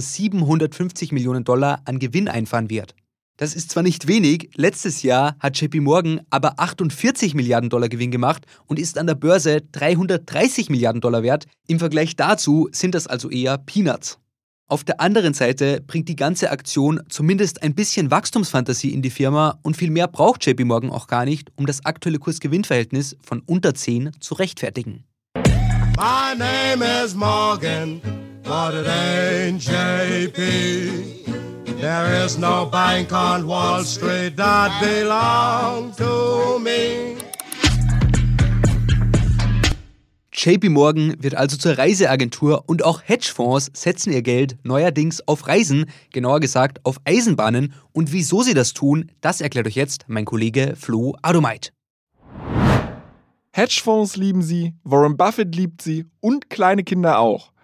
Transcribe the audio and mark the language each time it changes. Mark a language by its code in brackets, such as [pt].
[de] 750 Millionen Dollar an Gewinn einfahren wird. Das ist zwar nicht wenig, letztes Jahr hat JP Morgan aber 48 Milliarden Dollar Gewinn gemacht und ist an der Börse 330 Milliarden Dollar wert. Im Vergleich dazu sind das also eher Peanuts. Auf der anderen Seite bringt die ganze Aktion zumindest ein bisschen Wachstumsfantasie in die Firma und viel mehr braucht JP Morgan auch gar nicht, um das aktuelle Kursgewinnverhältnis von unter 10 zu rechtfertigen. [en] My name is Morgan, but it ain't JP. There is no bank on Wall Street that belongs to me. [de] JP Morgan wird also zur Reiseagentur und auch Hedgefonds setzen ihr Geld neuerdings auf Reisen, genauer gesagt auf Eisenbahnen. Und wieso sie das tun, das erklärt euch jetzt mein Kollege Flo Adomeit. Hedgefonds lieben sie, Warren Buffett liebt sie und kleine Kinder auch.